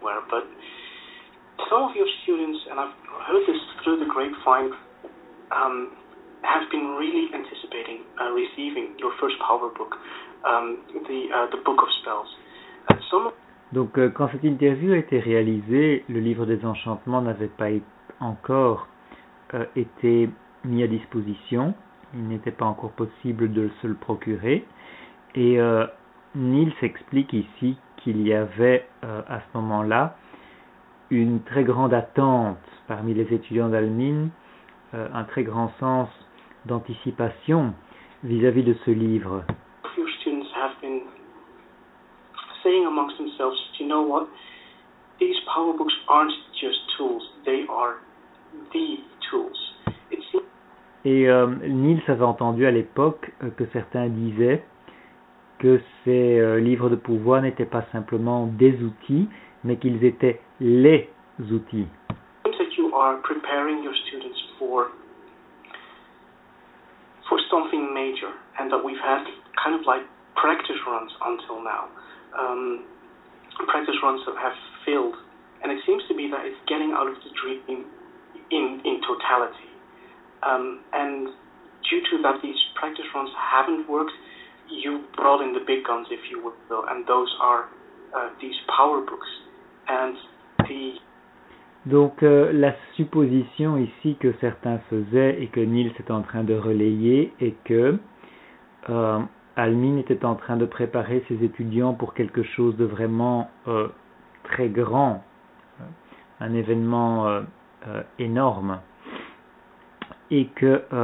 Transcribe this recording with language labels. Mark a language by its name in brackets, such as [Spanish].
[English] But some of your students, and I've heard this through the grapevine, have been really anticipating receiving your first power book, the Book of Spells. [French] Donc, quand cette interview a été réalisée, le livre des enchantements n'avait pas encore été mis à disposition. Il n'était pas encore possible de se le procurer. Et Nils explique ici qu'il y avait à ce moment-là une très grande attente parmi les étudiants d'Almin, un très grand sens d'anticipation vis-à-vis de ce livre. [English] Your students have been saying amongst themselves, you know what, these power books aren't just tools, they are the tools. [French] Et Nils avait entendu à l'époque que certains disaient que ces livres de pouvoir n'étaient pas simplement des outils, mais qu'ils étaient les outils. [English] That you are preparing your students for something major, and that we've had kind of like practice runs until now. Practice runs that have failed, and it seems to be that it's getting out of the dream in totality. And due to that, these practice runs haven't worked. You brought in the big guns, if you will, and those are these power books. And the [French] Donc la supposition ici que certains faisaient et que Neil était en train de relayer est que Almin était en train de préparer ses étudiants pour quelque chose de vraiment très grand, un événement énorme, et que